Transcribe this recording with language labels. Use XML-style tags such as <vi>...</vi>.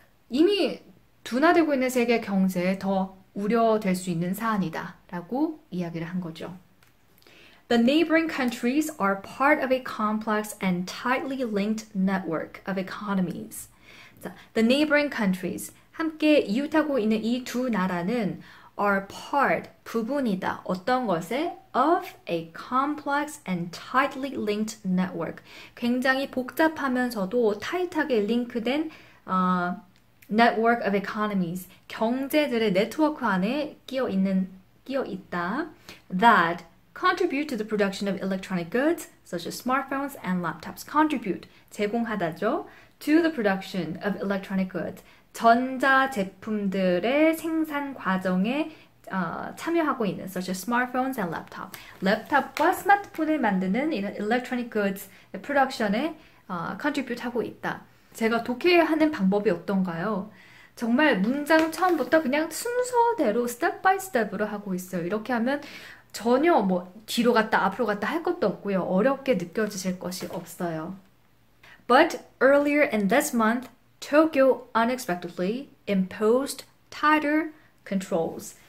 <ko>이미 둔화되고 있는 세계 경제에 더 우려될 수 있는 사안이다. 라고 이야기를 한 거죠.</ko> <en>The neighboring countries are part of a complex and tightly linked network of economies. The neighboring countries,</en> <ko>함께 이웃하고 있는 이두 나라는</ko> <en>are part,</en> <ko>부분이다. 어떤 것에?</ko> <en>of a complex and tightly linked network.</en> <ko>굉장히 복잡하면서도 타이트하게 링크된</ko> <en>network of economies.</en> <ko>경제들의 네트워크 안에 끼어 있다.</ko> <en>That contribute to the production of electronic goods, such as smartphones and laptops. Contribute,</en> <ko>제공하다죠.</ko> <en>To the production of electronic goods.</en> <ko>전자 제품들의 생산 과정에 참여하고 있는</ko> <en>such as smartphones and laptop.</en> <ko>랩탑과 스마트폰을 만드는 이런 electronic goods의 production에 contribute 하고 있다. 제가 독해하는 방법이 어떤가요? 정말 문장 처음부터 그냥 순서대로</ko> <en>step by step</en> <ko>으로 하고 있어요. 이렇게 하면 전혀 뭐 뒤로 갔다 앞으로 갔다 할 것도 없고요. 어렵게 느껴지실 것이 없어요.</ko> <en>But earlier in this month, Tokyo unexpectedly imposed tighter controls.</en>